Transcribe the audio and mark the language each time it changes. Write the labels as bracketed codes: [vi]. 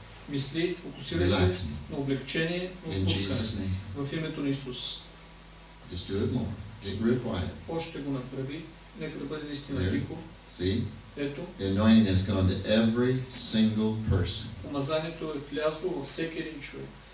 [bg] Мисли, фокусирай се на облегчение, в името на Исус. [en] Just do it more. Get real quiet. [bg] Още го направи, нека да бъде наистина тихо. Ето. [en] The anointing has gone to every single person. [bg] Помазанието е влязло във всеки един човек.